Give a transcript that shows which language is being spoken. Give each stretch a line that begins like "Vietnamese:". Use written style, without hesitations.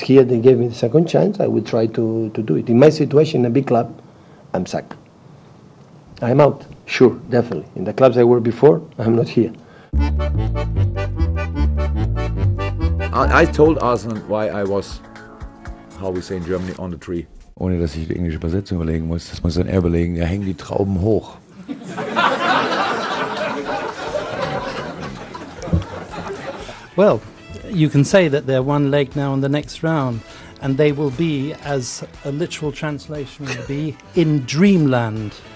English: Here they gave me the second chance. I will try to do it. In my situation, in a big club, I'm sacked. I'm out, sure, definitely. In the clubs I were before, I'm not here. I told Arsenal why I was, how we say in Germany, on the tree.
German: Ohne dass ich die englische Übersetzung überlegen muss, das muss ich dann eher überlegen, da hängen die Trauben hoch.
English: Well, you can say that they're one leg now in the next round, and they will be, as a literal translation would be, in dreamland.